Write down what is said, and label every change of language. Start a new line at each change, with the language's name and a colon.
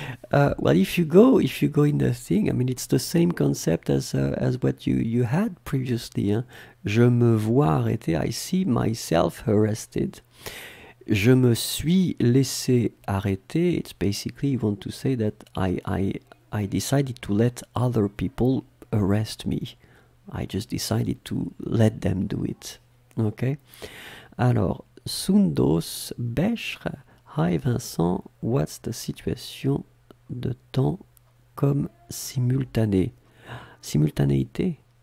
English: Well, if you go in the thing, I mean, it's the same concept as what you had previously.
French: Hein? Je me vois arrêté,
English: I see myself arrested.
French: Je me suis laissé arrêter.
English: It's basically you want to say that I decided to let other people arrest me. I just decided to let them do it. Okay? Alors, Sundos Bechre. Hi Vincent, what's the situation
French: de temps comme simultané? Simultanéité?